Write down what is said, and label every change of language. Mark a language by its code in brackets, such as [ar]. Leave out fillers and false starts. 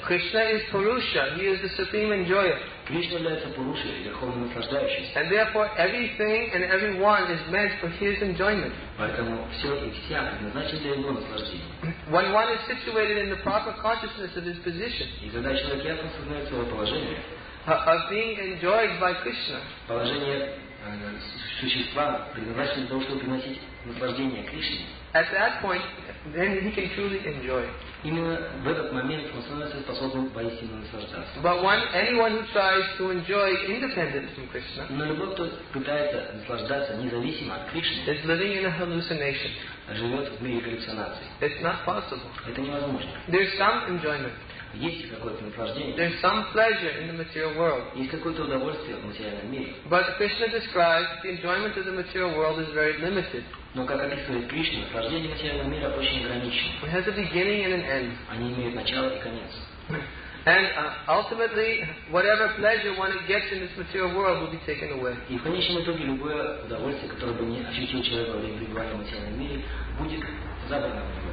[en] Krishna is Purusha, he is the supreme enjoyer. [ru] Кришна является Пурушей, верховным наслаждающимся. [en] And therefore everything and everyone is meant for his enjoyment. [ru] Поэтому все и вся предназначены для его наслаждения. [en] When one is situated in the proper consciousness of his position, [ru] и когда человек ясно осознает свое положение, [en] of being enjoyed by Krishna, [ru] положение существа предназначены для того, чтобы приносить наслаждение Кришне. [en] At that point, then he can truly enjoy. [ru] Именно в этот момент он становится способным поистине наслаждаться. [en] But one, anyone who tries to enjoy independence from Krishna, [ru] но любой, кто пытается наслаждаться независимо от Кришны, [en] is living in a hallucination. [ru] Живет в мире галлюцинаций. [en] It's not possible. [ru] Это невозможно. [en] There's some enjoyment. [ru] Есть какое-то наслаждение. [en] There's some pleasure in the material world. [ru] Есть какое-то удовольствие в материальном мире. [en] But Krishna describes the enjoyment of the material world is very limited. [ru] Но как описывает Кришна, наслаждение материального мира очень ограничено. [en] It has a beginning and an end. [ru] Они имеют начало и конец. [en] And ultimately, whatever pleasure one gets in this material world will be taken away. [ru] И в конечном итоге любое удовольствие, которое бы не ощутил человек во время пребывания в материальном мире, будет забрано.